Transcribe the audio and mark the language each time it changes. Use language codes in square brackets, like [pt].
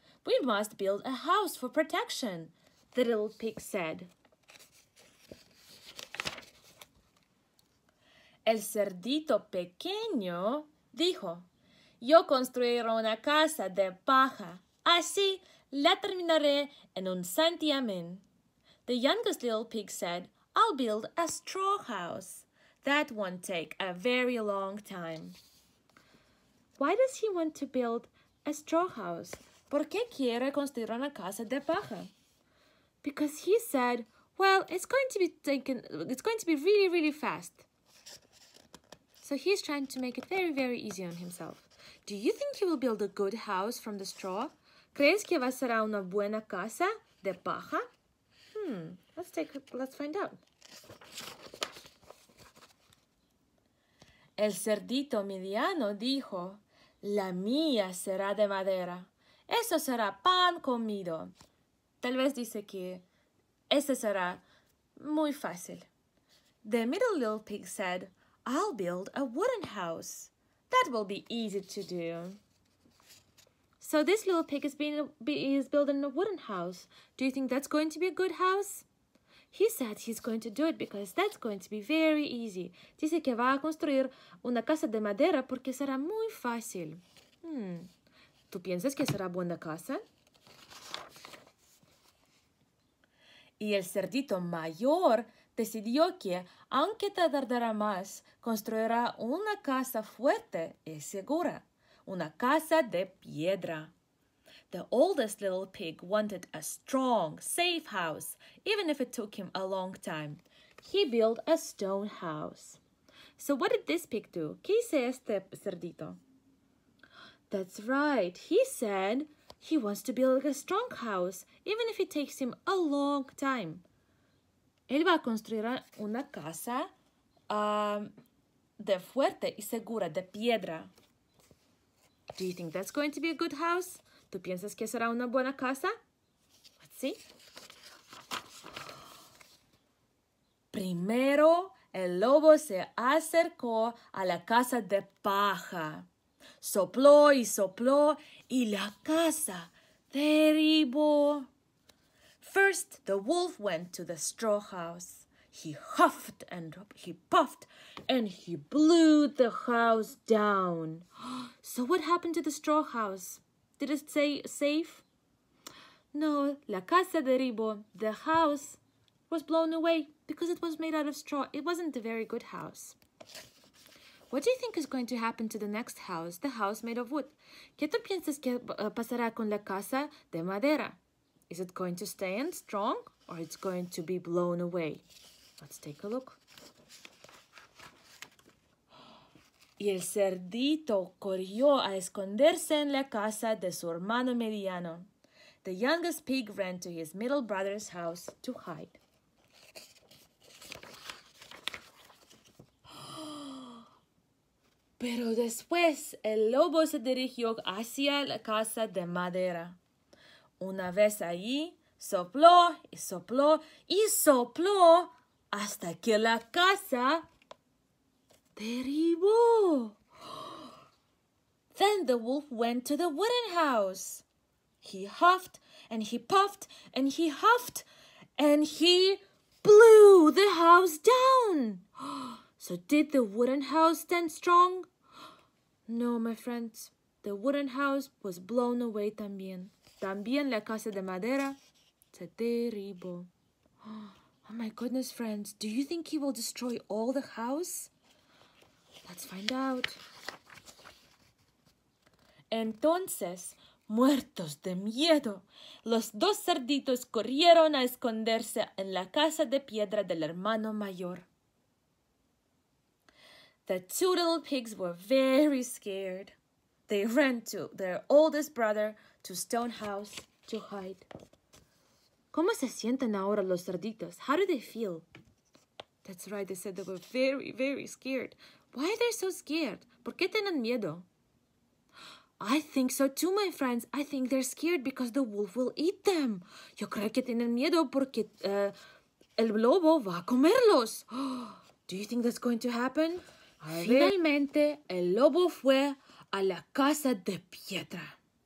[en] We must build a house for protection, the little pig said. [es] El cerdito pequeño dijo, yo construiré una casa de paja. Así la terminaré en un santiamén. [en] The youngest little pig said, I'll build a straw house. That won't take a very long time. Why does he want to build a straw house? [es] ¿Por qué quiere construir una casa de paja? [en] Because he said, well, it's going to be really, really fast. So he's trying to make it very, very easy on himself. Do you think he will build a good house from the straw? [es] ¿Crees que va a ser una buena casa de paja? [en] Let's find out. [es] El cerdito mediano dijo, la mía será de madera. Eso será pan comido. Tal vez dice que ese será muy fácil. [en] The middle little pig said, I'll build a wooden house. That will be easy to do. So this little pig is building a wooden house. Do you think that's going to be a good house? He said he's going to do it because that's going to be very easy. [es] Dice que va a construir una casa de madera porque será muy fácil. ¿Tú piensas que será buena casa? Y el cerdito mayor decidió que, aunque tardará más, construirá una casa fuerte y segura. Una casa de piedra. [en] The oldest little pig wanted a strong, safe house, even if it took him a long time. He built a stone house. So what did this pig do? [es] ¿Qué hizo este cerdito? [en] That's right. He said he wants to build a strong house, even if it takes him a long time. [es] Él va a construir una casa de fuerte y segura, de piedra. [en] Do you think that's going to be a good house? [es] ¿Tú piensas que será una buena casa? [en] Let's see. [es] Primero, el lobo se acercó a la casa de paja. Sopló y sopló y la casa derribó. [en] First, the wolf went to the straw house. He huffed and he puffed and he blew the house down. So what happened to the straw house? Did it say safe? [es] No, la casa derribó. [en] The house was blown away because it was made out of straw. It wasn't a very good house. What do you think is going to happen to the next house, the house made of wood? [es] ¿Qué tú piensas que pasará con la casa de madera? [en] Is it going to stay in strong or it's going to be blown away? Let's take a look. [es] Y el cerdito corrió a esconderse en la casa de su hermano mediano. [en] The youngest pig ran to his middle brother's house to hide. [es] Pero después el lobo se dirigió hacia la casa de madera. Una vez allí, sopló y sopló y sopló hasta que la casa derribó. [en] Then the wolf went to the wooden house. He huffed and he puffed and he huffed and he blew the house down. So did the wooden house stand strong? No, my friends, the wooden house was blown away también. [es] También la casa de madera se derribó. [en] Oh my goodness, friends, do you think he will destroy all the house? Let's find out. [es] Entonces, muertos de miedo, los dos cerditos corrieron a esconderse en la casa de piedra del hermano mayor. [en] The two little pigs were very scared. They ran to their oldest brother, to stone house, to hide. [es] ¿Cómo se sienten ahora los cerditos? [en] How do they feel? That's right, they said they were very, very scared. Why are they so scared? [es] ¿Por qué tienen miedo? [en] I think so too, my friends. I think they're scared because the wolf will eat them. [es] Yo creo que tienen miedo porque el lobo va a comerlos. [en] Do you think that's going to happen? [es] Finalmente, el lobo fue a la casa de piedra.